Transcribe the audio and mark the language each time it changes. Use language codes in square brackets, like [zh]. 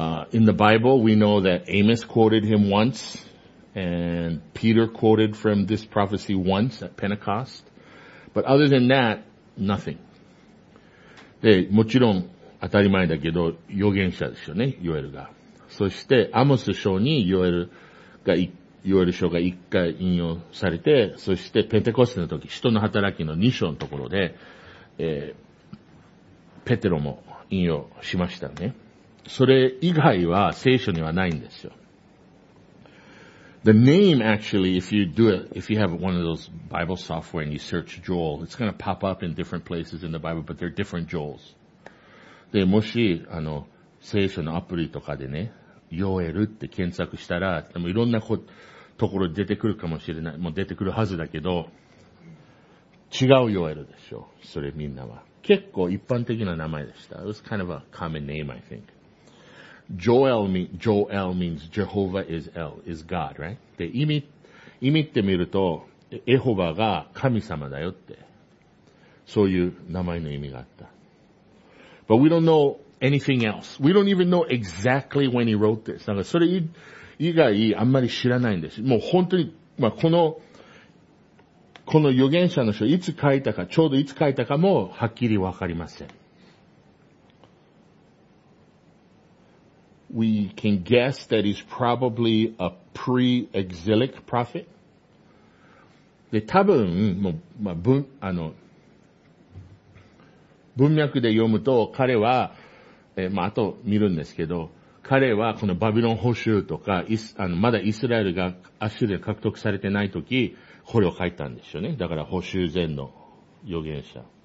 [en] In the Bible, we know that Amos quoted him once, and Peter quoted from this prophecy once at Pentecost. But other than that, nothing. [ja] で、もちろん当たり前だけど、預言者ですよね、ヨエルが。そして、アモス書にヨエル、が、ヨエル書が一回引用されて、そしてペンテコステの時、使徒の働きの2章のところで、ペテロも引用しましたね。それ以外は聖書にはないんですよ。 [en] The name actually, if you have one of those Bible software and you search Joel, it's going to pop up in different places in the Bible, but they're different Joels. [ja] で、もし、聖書のアプリとかでね、ヨエルって検索したら、でもいろんなところ出てくるかもしれない。もう出てくるはずだけど、違うヨエルでしょ。それみんなは。結構一般的な名前でした。 [en] It was kind of a common name, I think. Joel means Jehovah is El, is God, right? [ja] で、意味ってみると、エホバが神様だよって。そういう名前の意味があった。 [en] But we don't know,anything else. We don't even know exactly when he wrote this. [ja] だからそれ以外あんまり知らないんです。もう本当に、まあ、この預言者の書、いつ書いたか、ちょうどいつ書いたかもはっきりわかりません。 [en] We can guess that he's probably a pre-exilic prophet. [ja] で、多分、もう、まあ、文脈で読むと彼は、まあ、あと見るんですけど、彼はこのバビロン捕囚とか、まだイスラエルがアッシリア獲得されてない時、これを書いたんですよね。だから捕囚前の預言者。